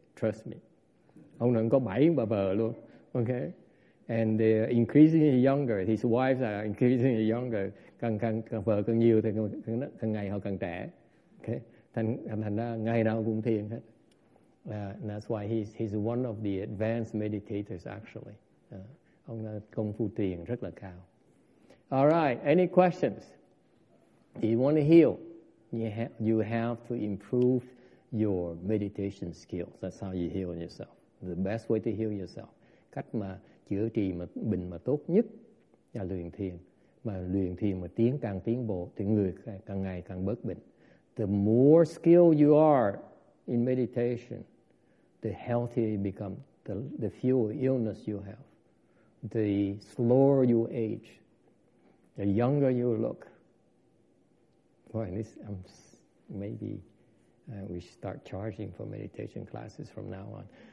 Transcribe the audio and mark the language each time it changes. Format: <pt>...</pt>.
<en>Trust me,</en> <vi>ông nó có 7 bà vợ luôn. Okay.</vi> <en>And they're increasingly younger. His wives are increasingly younger.</en> <vi>Càng vợ càng nhiều thì càng ngày họ càng trẻ. Okay. Thành ra ngày nào cũng thiền hết.</vi> <en>And that's why he's one of the advanced meditators actually.</en> <vi>Ông là công phu thiền rất là cao.</vi> <en>All right. Any questions? Do you want to heal? You have to improve your meditation skills. That's how you heal yourself. The best way to heal yourself.</en> <vi>Cách mà chữa trị mà bệnh mà tốt nhất là luyện thiền. Mà luyện thiền mà tiến càng tiến bộ thì người càng ngày càng bớt bệnh.</vi> <en>The more skilled you are in meditation, the healthier you become, the fewer illness you have, the slower you age, the younger you look. Boy, this, maybe we should start charging for meditation classes from now on.</en>